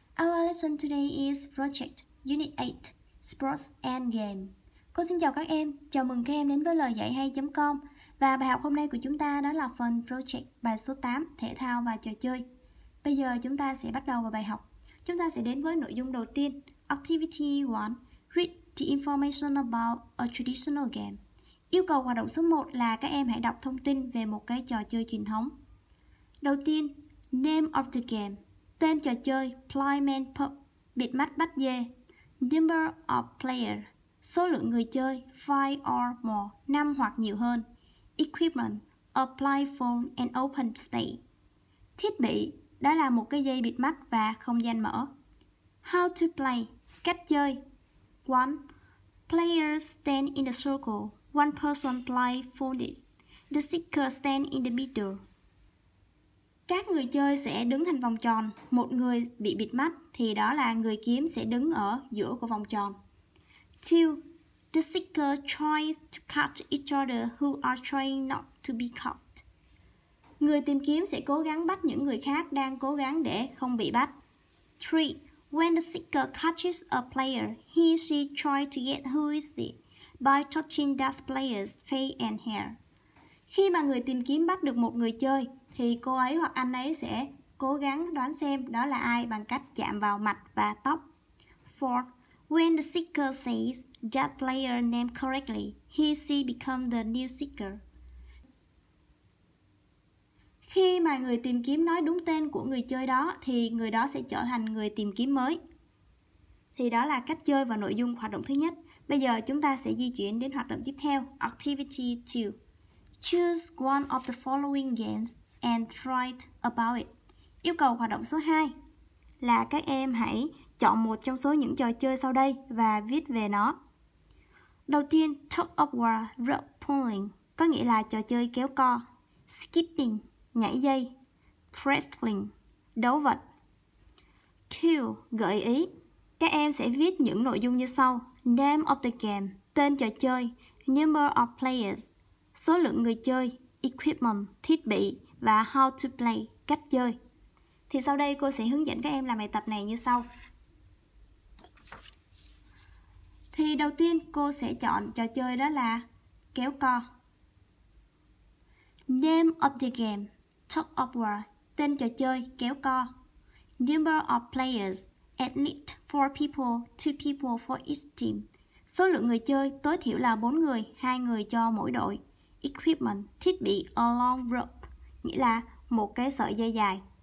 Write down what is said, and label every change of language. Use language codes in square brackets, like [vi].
[en] Our lesson today is Project Unit 8, Sports and Game. [vi] Cô xin chào các em, chào mừng các em đến với loyaihai.com. Và bài học hôm nay của chúng ta đó là phần Project bài số 8, Thể thao và trò chơi. Bây giờ chúng ta sẽ bắt đầu vào bài học. Chúng ta sẽ đến với nội dung đầu tiên, Activity 1, [en] Read the information about a traditional game. [vi] Yêu cầu hoạt động số 1 là các em hãy đọc thông tin về một cái trò chơi truyền thống. Đầu tiên, [en] name of the game, [vi] tên trò chơi, [en] blind man pup, [vi] bịt mắt bắt dê. [en] Number of player, [vi] số lượng người chơi, [en] 5 or more, [vi] 5 hoặc nhiều hơn. [en] Equipment, a blind phone and open space. [vi] Thiết bị, đó là một cái dây bịt mắt và không gian mở. [en] How to play, [vi] cách chơi. [en] 1. Players stand in a circle, one person blindfolded, the seeker stand in the middle. [vi] Các người chơi sẽ đứng thành vòng tròn, một người bị bịt mắt thì đó là người kiếm sẽ đứng ở giữa của vòng tròn. 2. [en] The seeker tries to catch each other who are trying not to be caught. [vi] Người tìm kiếm sẽ cố gắng bắt những người khác đang cố gắng để không bị bắt. 3. [en] When the seeker catches a player, he or she tries to get who is it by touching that player's face and hair. [vi] Khi mà người tìm kiếm bắt được một người chơi, thì cô ấy hoặc anh ấy sẽ cố gắng đoán xem đó là ai bằng cách chạm vào mặt và tóc. 4. [en] When the seeker says that player name correctly, he or she becomes the new seeker. [vi] Khi mà người tìm kiếm nói đúng tên của người chơi đó, thì người đó sẽ trở thành người tìm kiếm mới. Thì đó là cách chơi và nội dung hoạt động thứ nhất. Bây giờ chúng ta sẽ di chuyển đến hoạt động tiếp theo, Activity 2. [en] Choose one of the following games and write about it. [vi] Yêu cầu hoạt động số 2 là các em hãy chọn một trong số những trò chơi sau đây và viết về nó. Đầu tiên, [en] tug of war, rope pulling, [vi] có nghĩa là trò chơi kéo co. [en] Skipping, [vi] nhảy dây. [en] Wrestling, [vi] đấu vật. [en] Cue, [vi] gợi ý. Các em sẽ viết những nội dung như sau: [en] name of the game, [vi] tên trò chơi. [en] Number of players, [vi] số lượng người chơi. [en] Equipment, [vi] thiết bị. Và [en] how to play, [vi] cách chơi. Thì sau đây cô sẽ hướng dẫn các em làm bài tập này như sau. Thì đầu tiên cô sẽ chọn trò chơi đó là kéo co. [en] Name of the game, tug of war, [vi] tên trò chơi, kéo co. [en] Number of players, at least 4 people, 2 people for each team. [vi] Số lượng người chơi, tối thiểu là 4 người, 2 người cho mỗi đội. [en] Equipment, [vi] thiết bị, [en] a long rope, [vi] nghĩa là một cái sợi dây dài.